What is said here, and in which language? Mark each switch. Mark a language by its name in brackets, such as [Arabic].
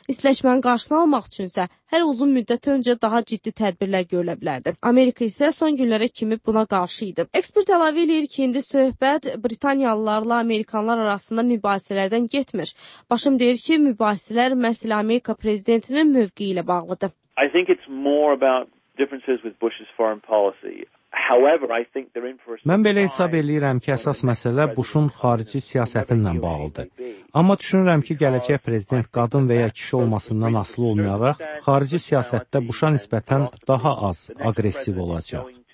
[Azerbaijani] İstiləşmənin qarşısını almaq üçünsə hələ uzun müddət öncə daha ciddi tədbirlər görülə bilərdi. Amerika isə son günlərə kimi buna qarşı idi. Ekspert əlavə edir ki, indi söhbət Britaniyalılarla Amerikanlar arasında mübahisələrdən getmir. Başım deyir ki, mübahisələr məsələ Amerika prezidentinin mövqeyi ilə bağlıdır. [English] I think it's more about differences with Bush's foreign policy. However, I think they're in for a [Azerbaijani] Mən belə hesab edirəm ki, əsas məsələ Bush'un xarici siyasətinlə bağlıdır. Amma düşünürəm ki, gələcək prezident qadın və ya kişi olmasından asılı olmayaraq, xarici siyasətdə Bush'a nisbətən daha az aqressiv olacaq.